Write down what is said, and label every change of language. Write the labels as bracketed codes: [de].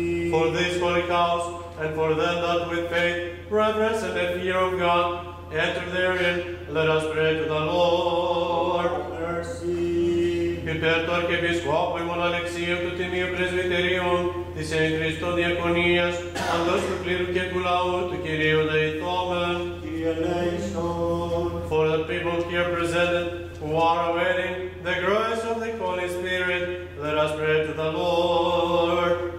[en] For this holy house, and for them that with faith, reverence, and the fear of God enter therein, let us pray to the Lord. Mercy. [el] Υπέρ του Αρχιεπισκόπου ημών Αλεξίου του Τιμίου Πρεσβυτερίων, της εν Χριστώ Διακονίας, παντός του πλήρου και του λαού του Κυρίου Δεϊθόμεν. Κύριε ελέησον. [en] For the people here presented, who are awaiting the grace of the Holy Spirit, let us pray to the Lord.